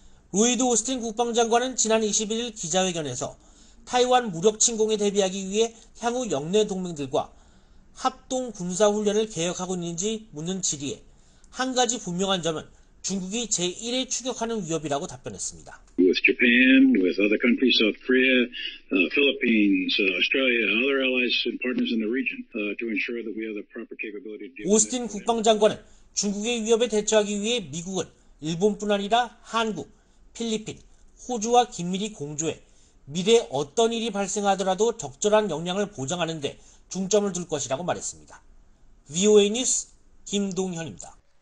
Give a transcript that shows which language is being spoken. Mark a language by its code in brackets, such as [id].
[ko] 로이드 오스틴 국방장관은 지난 21일 기자회견에서 타이완 무력 침공에 대비하기 위해 향후 역내 동맹들과 합동 군사훈련을 계획하고 있는지 묻는 질의에 한 가지 분명한 점은 중국이 제1의 추격하는 위협이라고 답변했습니다. [en] With Japan, with other countries, South Korea, Philippines, Australia, and other allies and partners in the region to ensure that we have the proper capability to deal with. [ko] 오스틴 국방장관은 중국의 위협에 대처하기 위해 미국은 일본뿐 아니라 한국, 필리핀, 호주와 긴밀히 공조해 미래 어떤 일이 발생하더라도 적절한 역량을 보장하는 데 중점을 둘 것이라고 말했습니다. VOA 뉴스 김동현입니다.